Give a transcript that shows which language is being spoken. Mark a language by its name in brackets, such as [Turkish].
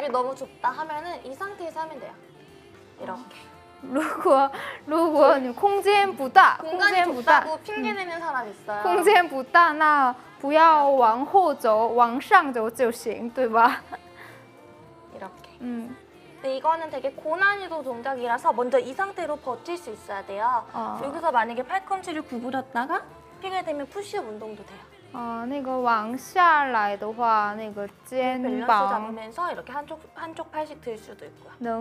[Korean] 집이 너무 좁다 하면은 이 상태에서 하면 돼요 이렇게 [Chinese] 如果你空间不大，空间不大，不 [Korean] 핑계내는 사람 있어요. [Chinese] 空间不大，那不要往后走，往上走就行，对吧？ [Korean] 이렇게. 근데 이거는 되게 고난이도 동작이라서 먼저 이 상태로 버틸 수 있어야 돼요. 여기서 만약에 팔꿈치를 구부렸다가 핑계 되면 푸시업 운동도 돼요. [Chinese] 那个往下来的话，那个肩膀 [Korean] 잡으면서 이렇게 한쪽 팔씩 들 수도 있고요.